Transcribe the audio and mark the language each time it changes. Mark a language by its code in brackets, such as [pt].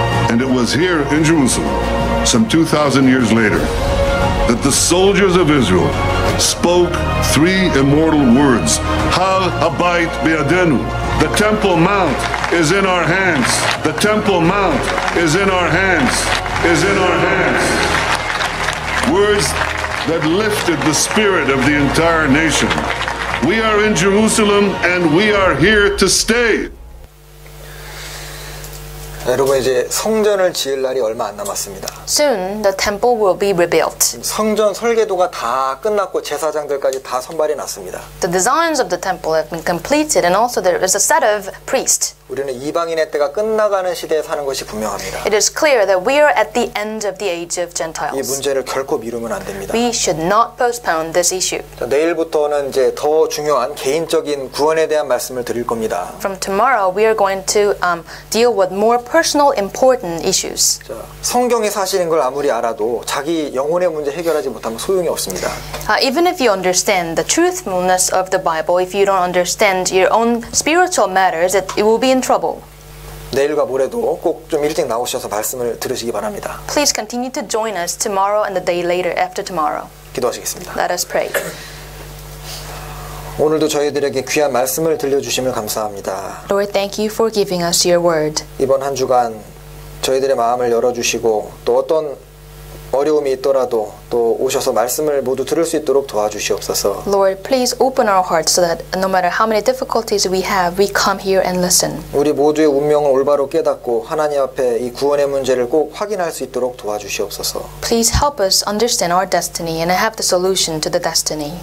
[en] And it was here in Jerusalem, some 2,000 years later, that the soldiers of Israel spoke three immortal words, [he] Har Habayit Bidenu, [en] the Temple Mount is in our hands. The Temple Mount is in our hands. Is in our hands. Words that lifted the spirit of the entire nation. We are in Jerusalem and we are here to stay. [ko] 여러분 이제 성전을 지을 날이 얼마 안 남았습니다. [en] Soon the temple will be rebuilt. [ko] 성전 설계도가 다 끝났고 제사장들까지 다 선발이 났습니다. [en] The designs of the temple have been completed and also there is a set of priests. [ko] 우리는 이방인의 때가 끝나가는 시대에 사는 것이 분명합니다. [en] It is clear that we are at the end of the age of Gentiles. [ko] 이 문제를 결코 미루면 안 됩니다. [en] We should not postpone this issue. [ko] 자, 내일부터는 이제 더 중요한 개인적인 구원에 대한 말씀을 드릴 겁니다. [en] From tomorrow we are going to deal with more personal important issues. [ko] 자, 성경이 사실인 걸 아무리 알아도 자기 영혼의 문제 해결하지 못하면 소용이 없습니다. [en] Even if you understand the truthfulness of the Bible, if you don't understand your own spiritual matters, it will be in trouble. [ko] 내일과 모레도 꼭 좀 일찍 나오셔서 말씀을 들으시기 바랍니다. [en] Please continue to join us tomorrow and the day later after tomorrow. [ko] 기도하시겠습니다. [en] Let us pray. [ko] 오늘도 저희들에게 귀한 말씀을 들려주심을 감사합니다. [en] Lord, thank you for giving us your word. [ko] 이번 한 주간 저희들의 마음을 열어주시고 또 어떤 어려움이 있더라도 또 오셔서 말씀을 모두 들을 수 있도록 도와주시옵소서. [en] Lord, please open our hearts so that no matter how many difficulties we have, we come here and listen. [ko] 우리 모두의 운명을 올바로 깨닫고 하나님 앞에 이 구원의 문제를 꼭 확인할 수 있도록 도와주시옵소서. [en] Please help us understand our destiny and have the solution to the destiny.